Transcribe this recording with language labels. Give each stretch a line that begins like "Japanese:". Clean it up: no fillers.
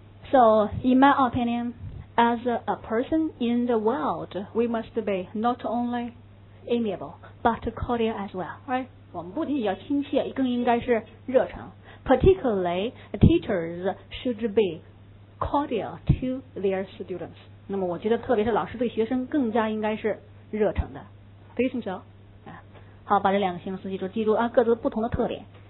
English: Faithful, yeah. So, in my opinion, as a person in the world, we must be not only amiable, but cordial as well, right?
Chinese: 我们不仅要亲切，更应该是热诚。
English: Particularly, teachers should be cordial to their students.
Chinese: 那么我觉得特别是老师对学生更加应该是热诚的。
English: Do you think so? Yeah.
Chinese: 好，把这两个形容词记住啊，各自不同的特点。